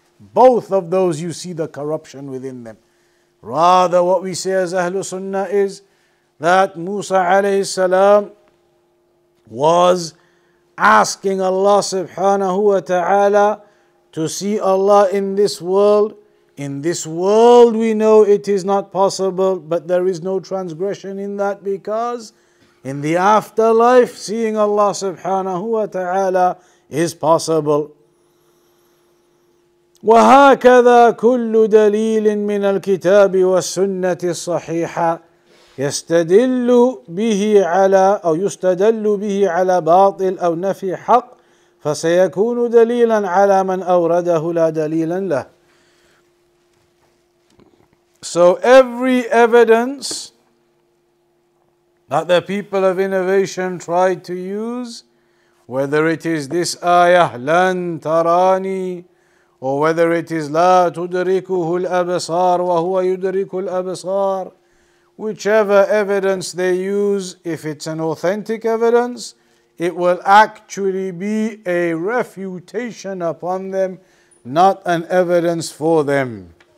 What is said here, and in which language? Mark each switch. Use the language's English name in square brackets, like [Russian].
[English] Both of those, you see the corruption within them. Rather, what we say as Ahlu Sunnah is that Musa alayhi salam was asking Allah subhanahu wa ta'ala to see Allah in this world. In this world, we know it is not possible, but there is no transgression in that, because in the afterlife, seeing Allah subhanahu wa ta'ala is possible. [Arabic] وهكذا كل دليل من الكتاب والسنة الصحيحة يستدل به على أو يستدل به على باطل أو نفي حق فسيكون دليلا على من أورده لا دليلا له. [English] So every evidence that the people of innovation tried to use, whether it is this ayah, [Arabic] لن تراني, [English] or whether it is [Arabic] لا تدركه الأبصار وهو يدرك الأبصار, [English] whichever evidence they use, if it's an authentic evidence, it will actually be a refutation upon them, not an evidence for them.